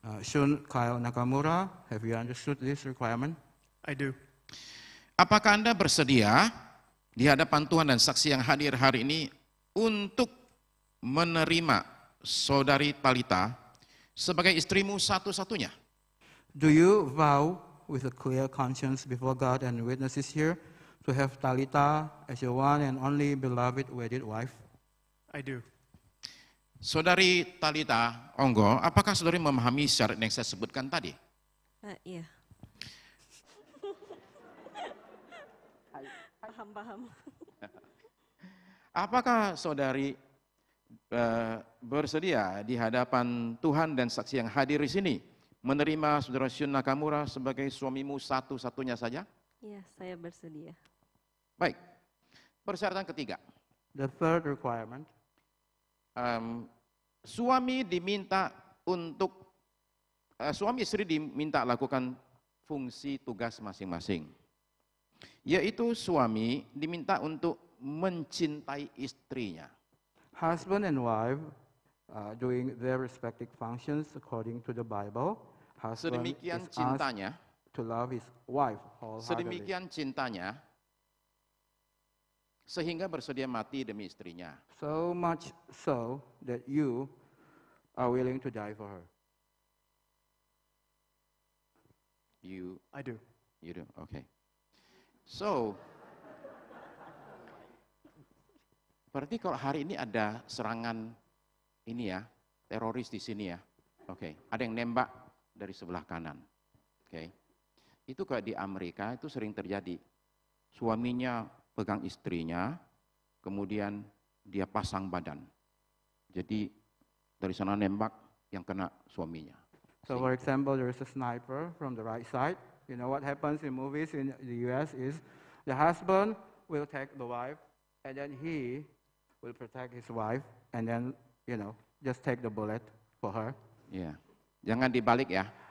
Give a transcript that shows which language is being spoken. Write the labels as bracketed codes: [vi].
[en] Shun Kyle Nakamura, have you understood this requirement? I do. [id] Apakah Anda bersedia di hadapan Tuhan dan saksi yang hadir hari ini untuk menerima saudari Talita sebagai istrimu satu-satunya? [en] Do you vow with a clear conscience before God and witnesses here to have Talita as your one and only beloved wedded wife? I do. [id] Saudari Talita Onggo, apakah saudari memahami syarat yang saya sebutkan tadi? Iya. Paham-paham. Apakah saudari bersedia di hadapan Tuhan dan saksi yang hadir di sini menerima saudara Shun Nakamura sebagai suamimu satu-satunya saja? Iya, saya bersedia. Baik. Persyaratan ketiga. [en] The third requirement. [id] Suami diminta untuk suami istri diminta lakukan fungsi tugas masing-masing, yaitu suami diminta untuk mencintai istrinya. [en] Husband and wife doing their respective functions according to the Bible. Husband [id] sedemikian is cintanya [en] to love his wife wholeheartedly. [id] Sedemikian cintanya sehingga bersedia mati demi istrinya. [en] So much so that you are willing to die for her. You? I do. You do, okay. So, [id] berarti kalau hari ini ada serangan ini ya, teroris di sini ya, okay. Ada yang nembak dari sebelah kanan, okay. Itu kayak di Amerika itu sering terjadi. Suaminya pegang istrinya, kemudian dia pasang badan. Jadi, dari sana nembak yang kena suaminya. [en] So for example, there is a sniper from the right side. You know what happens in movies in the US is the husband will take the wife and then he will protect his wife and then, you know, just take the bullet for her. [id] Yeah. Jangan dibalik ya.